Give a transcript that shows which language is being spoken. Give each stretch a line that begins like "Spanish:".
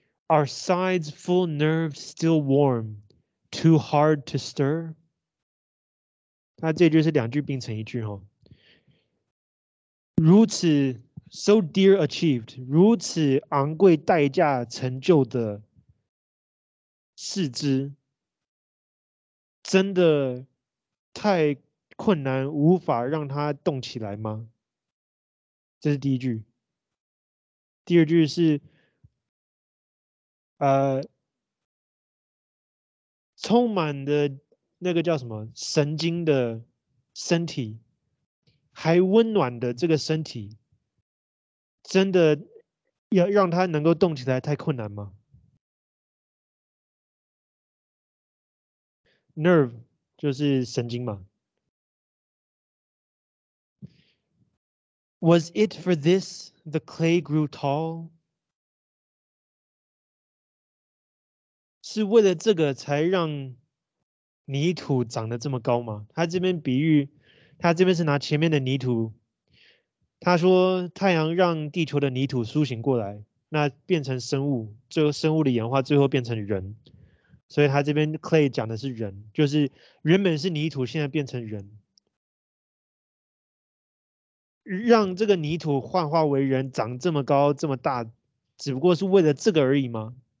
English: Our sides full nerves still warm, too hard to stir.
Chinese: 那这句是两句并成一句哦。如此
English: so dear achieved,
Chinese: 如此昂贵代价成就的四肢，真的太困难，无法让它动起来吗？这是第一句。第二句是。充满的那个叫什么神经的身体，还温暖的这个身体，真的要让他能够动起来太困难吗？ Nerve 就是神经嘛。
English: Was it for this the clay grew tall?
Chinese: 是为了这个才让泥土长得这么高吗？他这边比喻，他这边是拿前面的泥土，他说太阳让地球的泥土苏醒过来，那变成生物，最后生物的演化最后变成人，所以他这边 clay 讲的是人，就是原本是泥土，现在变成人，让这个泥土幻化为人，长这么高这么大，只不过是为了这个而已吗？